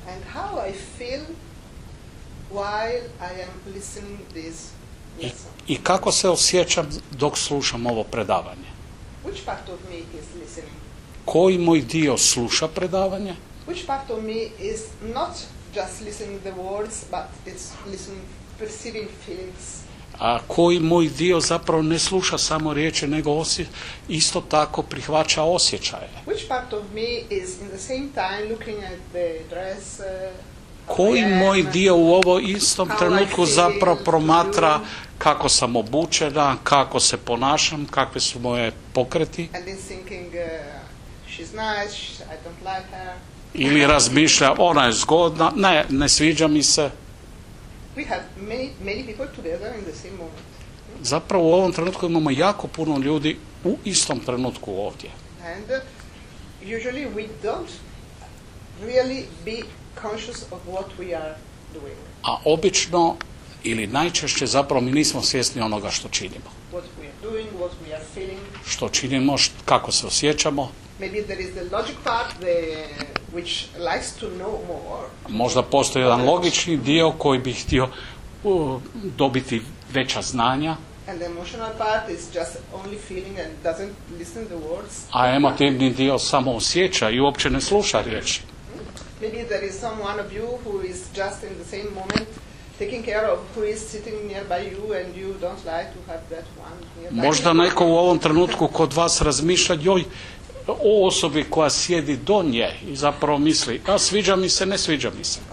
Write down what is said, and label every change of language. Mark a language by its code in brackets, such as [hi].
[en] And how I feel while I am listening this lesson. [hr] I kako se osjećam dok slušam ovo predavanje? [en] Which part of me is listening? [hr] Koji moj dio sluša predavanje? [en] Which part of me is not just listening the words, but it's listening, perceiving feelings? [hr] A koji moj dio zapravo ne sluša samo riječi, nego isto tako prihvaća osjećaje? [en] Which part of me is in the same time looking at the dress? [hr] Koji moj dio u ovo istom trenutku zapravo promatra kako sam obučena, kako se ponašam, kakve su moje pokreti? [en] And is thinking, she's nice, I don't like her. [hr] Ili razmišlja, ona je zgodna, ne sviđa mi se. [en] We have many people together in the same moment. [hr] Zapravo u ovom trenutku imamo jako puno ljudi u istom trenutku ovdje. [en] And usually we don't really be conscious of what we are doing. [hr] A obično ili najčešće zapravo mi nismo svjesni onoga što činimo. [en] What we are doing, what we are feeling. [hr] Što činimo, kako se osjećamo. [en] Maybe there is the logic part, which likes to know more. [hr] Možda postoji jedan logični dio koji bi htio dobiti veća znanja. [en] And the emotional part is just only feeling and doesn't listen to words. [hr] A emotivni dio samo osjeća i uopće ne sluša riječi. [en] Maybe there is someone of you who is just in the same moment taking care of who is sitting nearby you and you don't like to have that one nearby. [hr] Možda neko u ovom trenutku kod vas razmišlja, joj, o osobi koja sjedi do nje i zapravo misli, a sviđa mi se, ne sviđa mi se.